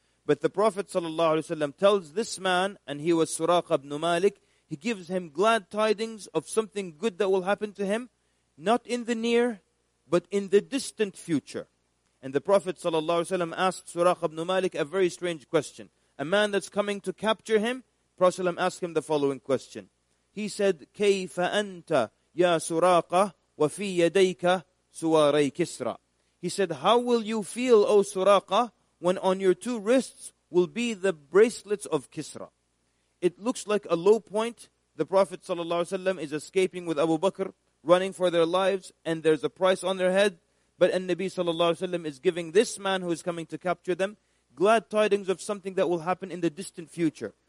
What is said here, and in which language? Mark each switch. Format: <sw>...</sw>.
<en>But the Prophet sallallahu alayhi wa sallam tells this man, and he was Suraqa ibn Malik, he gives him glad tidings of something good that will happen to him, not in the near, but in the distant future. And the Prophet sallallahu alayhi wa sallam asked Suraqa ibn Malik a very strange question. A man that's coming to capture him, Prophet ﷺ asked him the following question. He said,</en> <ar>كَيْفَ أَنْتَ يَا سُرَاقَ وَفِي يَدَيْكَ سُوَارَيْ كِسْرَى.</ar> <en>He said, how will you feel, O Suraqa, when on your two wrists will be the bracelets of Kisra? It looks like a low point. The Prophet ﷺ is escaping with Abu Bakr, running for their lives, and there's a price on their head. But An-Nabi ﷺ is giving this man who is coming to capture them glad tidings of something that will happen in the distant future.</en>